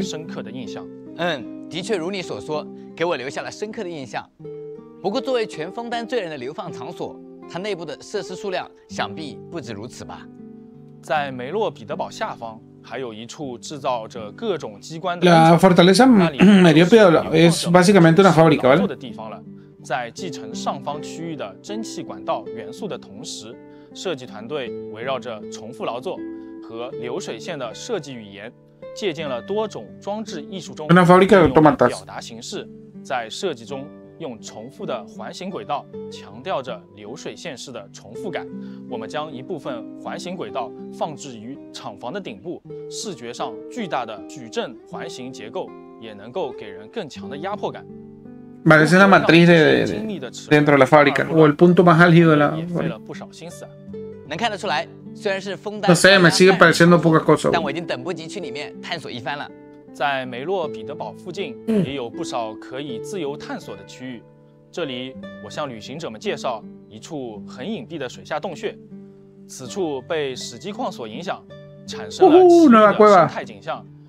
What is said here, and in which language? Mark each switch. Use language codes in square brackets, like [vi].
[zh] 深刻的印象。嗯，的确如你所说，给我留下了深刻的印象。不过作为全枫丹罪人的流放场所，它内部的设施数量想必不止如此吧。在梅洛彼得堡下方还有一处制造着各种机关的。 [es] La fortaleza Meriopia es básicamente una fábrica, ¿vale? [zh] 在继承上方区域的蒸汽管道元素的同时，设计团队围绕着重复劳作和流水线的设计语言，借鉴了多种装置艺术中的表达形式，在设计中用重复的环形轨道强调着流水线式的重复感。我们将一部分环形轨道放置于厂房的顶部，视觉上巨大的矩阵环形结构也能够给人更强的压迫感。 [es] Vale, es una matriz de dentro de la fábrica, o el punto más álgido de la fábrica. [zh] 能看得出来，虽然是枫丹。 [es] No sé, me sigue pareciendo poca cosa. [zh] 但我已经等不及去里面探索一番了。在梅洛彼得堡附近也有不少可以自由探索的区域。这里我向旅行者们介绍一处很隐蔽的水下洞穴，此处被史基矿所影响，产生了奇异的生态景象。